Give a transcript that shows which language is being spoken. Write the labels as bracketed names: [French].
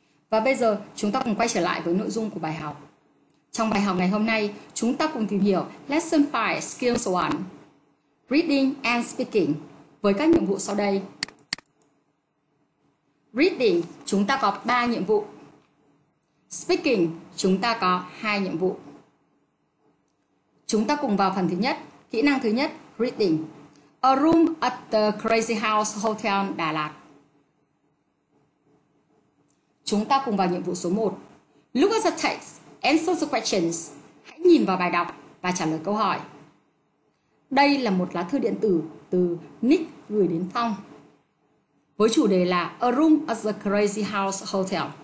[Vietnamese] Và bây giờ chúng ta cùng quay trở lại với nội dung của bài học. Trong bài học ngày hôm nay, chúng ta cùng tìm hiểu Lesson 5 Skills 1 Reading and Speaking với các nhiệm vụ sau đây. Reading, chúng ta có 3 nhiệm vụ. Speaking, chúng ta có 2 nhiệm vụ. Chúng ta cùng vào phần thứ nhất, kỹ năng thứ nhất, Reading. [English] A room at the Crazy House Hotel, Đà Lạt. [Vietnamese] Chúng ta cùng vào nhiệm vụ số 1. [English] Look at the text. Answer the questions. [Vietnamese] Hãy nhìn vào bài đọc và trả lời câu hỏi. Đây là một lá thư điện tử từ Nick gửi đến Phong với chủ đề là A Room at the Crazy House Hotel.